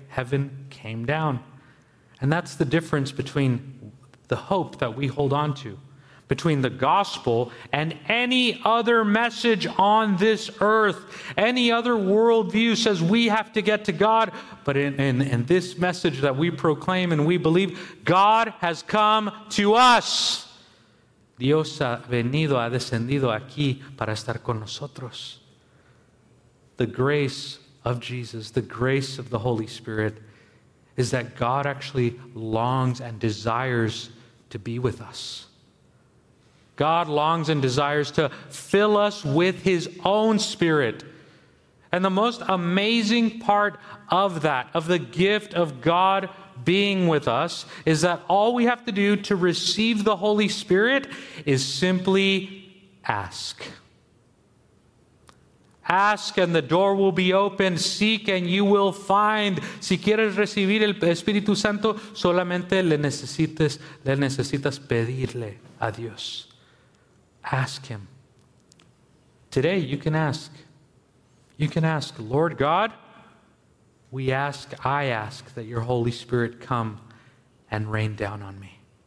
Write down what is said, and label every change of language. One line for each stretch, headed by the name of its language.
English: Heaven came down. And that's the difference between the hope that we hold on to, between the gospel and any other message on this earth. Any other worldview says we have to get to God, but in this message that we proclaim and we believe, God has come to us.
Spanish: Dios ha venido, ha descendido aquí para estar con nosotros.
English: The grace of Jesus, the grace of the Holy Spirit, is that God actually longs and desires to be with us. God longs and desires to fill us with his own Spirit. And the most amazing part of that, of the gift of God being with us, is that all we have to do to receive the Holy Spirit is simply ask. Ask and the door will be opened. Seek and you will find.
Spanish: Si quieres recibir el Espíritu Santo, solamente le necesitas pedirle a Dios.
English: Ask him. Today, you can ask. You can ask, Lord God, I ask that your Holy Spirit come and rain down on me.